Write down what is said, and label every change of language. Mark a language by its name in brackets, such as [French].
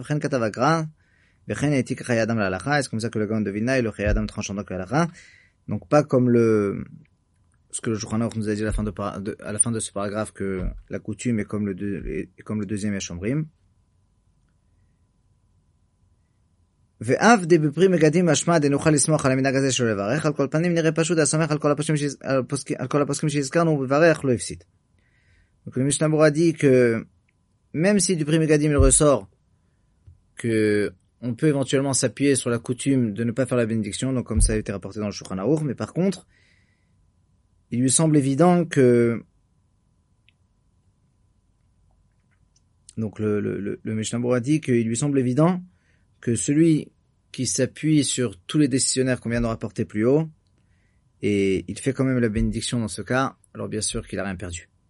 [French] Et c'est comme ça que le Gaon de Vilna et le Chayadam tranchent en tant que halakha. Donc pas comme ce que le Shulchan Aruch nous a dit à la fin de ce paragraphe, que la coutume est comme le deuxième Yashomrim. [Hebrew] ואף דיבפרי מגדים משמע דנוכל לסמוך על המנהג הזה שלו לברך, על כל פנים נראה פשוט לסמך על כל הפוסקים שהזכרנו, ובברך לא הפסיד. [French] Donc le Mishnah Berurah dit que même si דיבפרי מגדים il ressort qu'on peut éventuellement s'appuyer sur la coutume de ne pas faire la bénédiction, donc comme ça a été rapporté dans le Shulchan Aruch, mais par contre, il lui semble évident que donc le Mishnah Berurah dit qu'il lui semble évident que celui qui s'appuie sur tous les décisionnaires qu'on vient de rapporter plus haut, et il fait quand même la bénédiction dans ce cas, alors bien sûr qu'il n'a rien perdu.